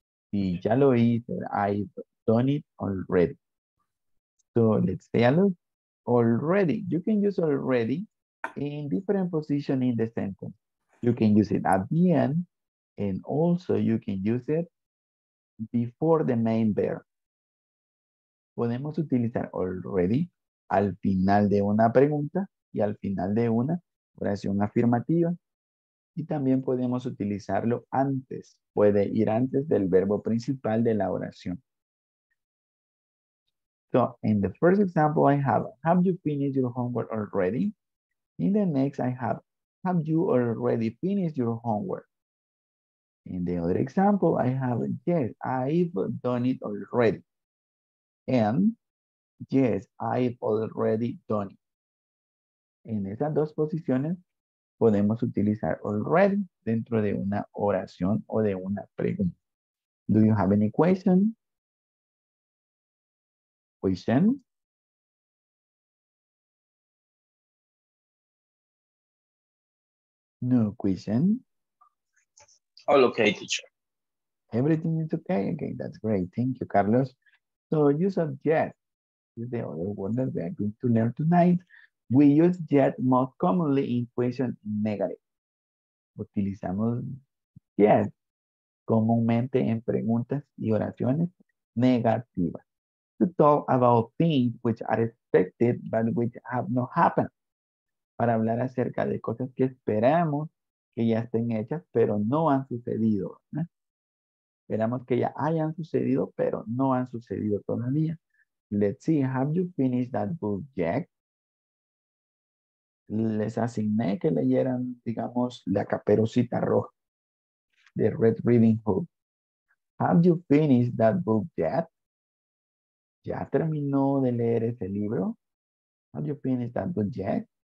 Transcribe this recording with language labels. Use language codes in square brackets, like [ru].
[es] Sí, ya lo hice. [en] I've done it already. So let's say a look. Already, you can use already in different positions in the sentence. You can use it at the end, and also you can use it before the main verb. [es] Podemos utilizar already al final de una pregunta y al final de una oración afirmativa. Y también podemos utilizarlo antes. Puede ir antes del verbo principal de la oración. [en] So in the first example, I have you finished your homework already? In the next, I have you already finished your homework? In the other example, I have, yes, I've done it already. And yes, I've already done it. [es] En esas dos posiciones, podemos utilizar already dentro de una oración o de una pregunta. [en] Do you have any question? Question. No question. All okay, teacher. Everything is okay. Okay, that's great. Thank you, Carlos. So use of yet is the other word that we are going to learn tonight. We use yet most commonly in question negative. [es] Utilizamos yet comúnmente en preguntas y oraciones negativas. [en] To talk about things which are expected but which have not happened. [es] Para hablar acerca de cosas que esperamos que ya estén hechas pero no han sucedido. ¿Eh? Esperamos que ya hayan sucedido pero no han sucedido todavía. [en] Let's see, have you finished that book yet? [es] Les asigné que leyeran, digamos, la caperucita roja. [en] The Red Riding Hood. Have you finished that book yet? [es] ¿Ya terminó de leer ese libro? [en] Have you finished that book yet?